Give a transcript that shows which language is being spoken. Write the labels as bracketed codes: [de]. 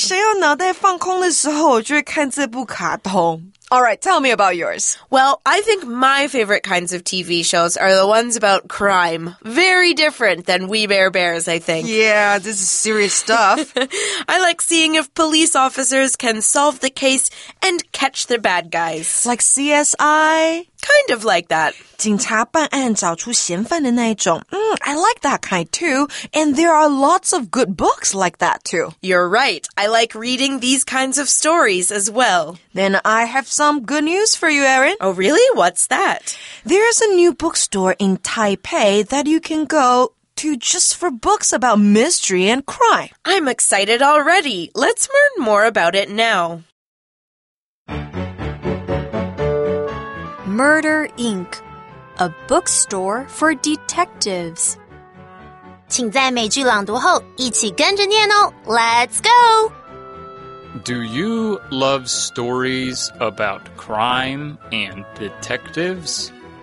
[zh] 谁有脑袋放空的时候就会看这部卡通。 [en] All right, tell me about yours. Well, I think my favorite kinds of TV shows are the ones about crime. Very different than We Bare Bears, I think. Yeah, this is serious stuff. I like seeing if police officers can solve the case and catch the bad guys. Like CSI? Kind of like that. [zh] 警察办案找出嫌犯的那一种。 [en] I like that kind too. And there are lots of good books like that too. You're right. I like reading these kinds of stories as well. Then I have some good news for you, Erin. Oh, really? What's that? There's a new bookstore in Taipei that you can go to just for books about mystery and crime. I'm excited already. Let's learn more about it now. Murder, Inc. A bookstore for detectives. [zh] 请在每句朗读后一起跟着念哦。 [en] Let's go! Do you love stories about crime and detectives?